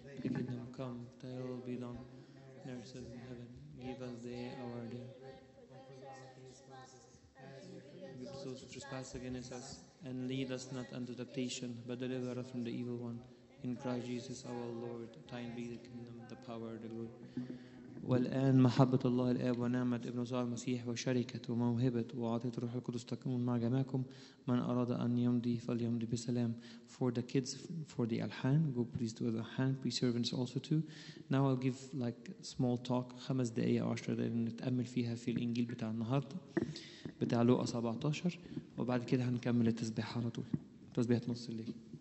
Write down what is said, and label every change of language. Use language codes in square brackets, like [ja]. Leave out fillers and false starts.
[en] Thy kingdom come, thy will be done, on earth as in heaven. Give us day our daily bread. Forgive us our trespasses against us, and lead us not unto temptation, but deliver us from the evil one. In Christ Jesus our Lord, thine be the kingdom, the power, the glory. [ar] والآن محبة الله الآب ونعمة ابن صار المسيح وشركة وموهبة وعطية روح القدس تكون مع جماعكم من أراد أن يمضي فليمضي بسلام. [en] For the kids, for the Alhan, go please to the Alhan, be servants also too. Now I'll give like small talk, [ar] خمس دقائق أو عشر دقائق نتأمل فيها في الإنجيل بتاع النهاردة بتاع لوقا 17 وبعد كده هنكمل التسبيح على طول. تسبيحة نص الليل.